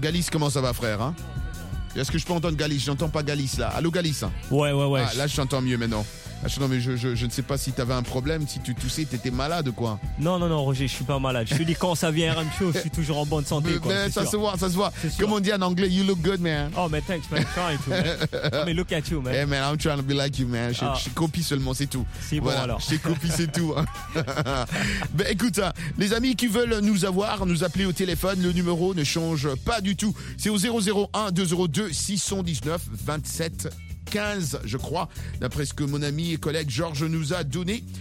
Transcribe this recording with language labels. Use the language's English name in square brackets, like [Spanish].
[French] Galice, comment ça va, frère, hein? Est-ce que je peux entendre Galice? J'entends pas Galice là. Allô Galice? Ouais. Ah, là je t'entends mieux maintenant. Je ne sais pas si t'avais un problème, si tu toussais, t'étais malade ou quoi. Non, Roger, je suis pas malade. Je te dis quand ça vient RM Show, je suis toujours en bonne santé. Ça se voit. Comme on dit en anglais, [English] you look good, man. Oh, mais thanks, man. Try to, man. Oh, look at you, man. Hey, man, I'm trying to be like you, man. [French] Je copie seulement, c'est tout. C'est voilà, bon, alors. Je copie, c'est tout. Ben, écoute, les amis qui veulent nous avoir, nous appeler au téléphone, le numéro ne change pas du tout. C'est au 001-202-619-2715, je crois, d'après ce que mon ami et collègue Georges nous a donné.